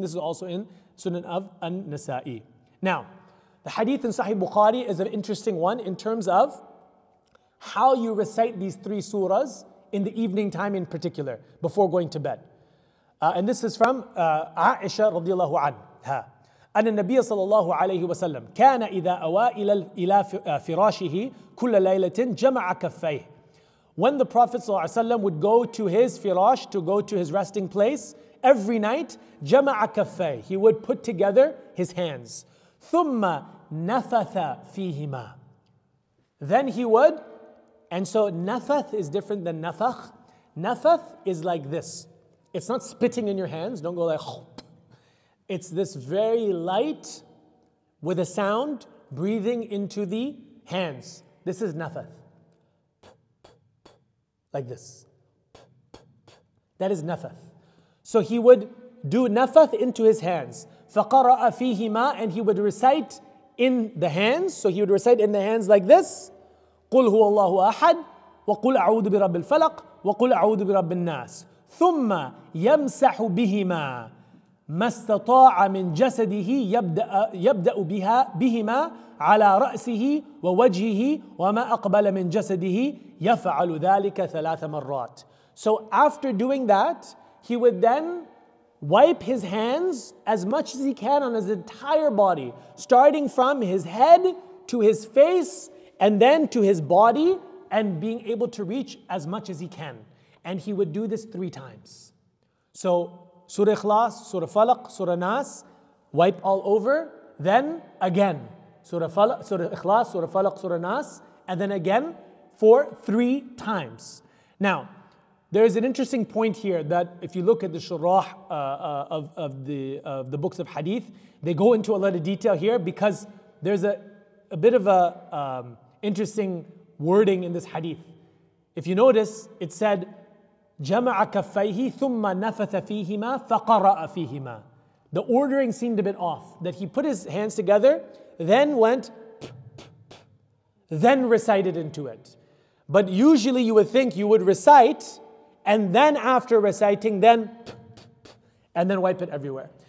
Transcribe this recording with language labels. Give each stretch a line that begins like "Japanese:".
English: This is also in Sunan of An-Nasa'i. Now, the hadith in Sahih Bukhari is an interesting one in terms of how you recite these three surahs in the evening time in particular, before going to bed. And this is from Aisha radiallahu anha.
Arabic: أن النبي صلى الله عليه وسلم كان إذا أوى إلى فراشه كل ليلة جمع كفيه.
English: When the Prophet صلى الله عليه وسلم would go to his firash, to go to his resting place, every night,
Arabic: جمع كفيه.
English: He would put together his hands.
Arabic: ثم نفث فيهما.
English: Then he would, and so نفث is different than نفخ. نفث is like this. It's not spitting in your hands. Don't go like, it's this very light, with a sound, breathing into the hands. This is nafath. Like this. That is nafath. So he would do nafath into his hands.
Arabic: فَقَرَأَ فِيهِمَا
English: And he would recite in the hands. So he would recite in the hands like this.
Arabic: قُلْ هُوَ اللَّهُ أَحَدْ وَقُلْ أَعُوذُ بِرَبِّ الْفَلَقِ وَقُلْ أَعُوذُ بِرَبِّ النَّاسِ ثُمَّ يَمْسَحُ بِهِمَا ما استطاع من جسده يبدأ بها بهما على رأسه ووجهه وما أقبل من جسده يفعل ذلك ثلاث مرات.
English: So after doing that, he would then wipe his hands as much as he can on his entire body, starting from his head to his face and then to his body, and being able to reach as much as he can. And he would do this three times. So Surah Ikhlas, Surah Falaq, Surah Nas, wipe all over, then again, Surah Ikhlas, Surah Falaq, Surah Nas, and then again for three times. Now, there is an interesting point here that if you look at the Sharah of the books of Hadith, they go into a lot of detail here because there's a bit of an interesting wording in this Hadith. If you notice, it said,
Arabic: جمع كفيه ثم نفث فيهما فقرأ فيهما.
English: The ordering seemed a bit off, that he put his hands together, then went, then recited into it. But usually you would think you would recite, and then after reciting, then, and then wipe it everywhere.